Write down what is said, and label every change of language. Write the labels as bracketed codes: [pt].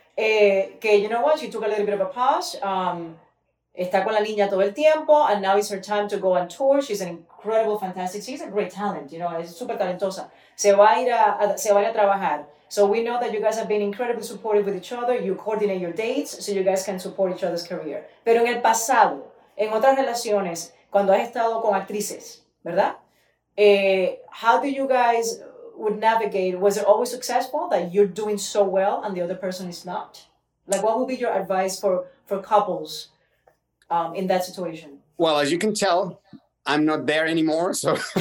[en] Que, you know what, she took a little bit of a pause, [es] está con la niña todo el tiempo, [en] and now it's her time to go on tour. She's an incredible, fantastic, she's a great talent, you know, [es] es super talentosa. Se va a ir a trabajar. [en] So we know that you guys have been incredibly supportive with each other. You coordinate your dates so you guys can support each other's career. [es] Pero en el pasado, en otras relaciones, cuando has estado con actrices, ¿verdad? [en] How do you guys would navigate? Was it always successful that you're doing so well and the other person is not? Like, what would be your advice for couples in that situation? Well, as you can tell, I'm not there anymore, so.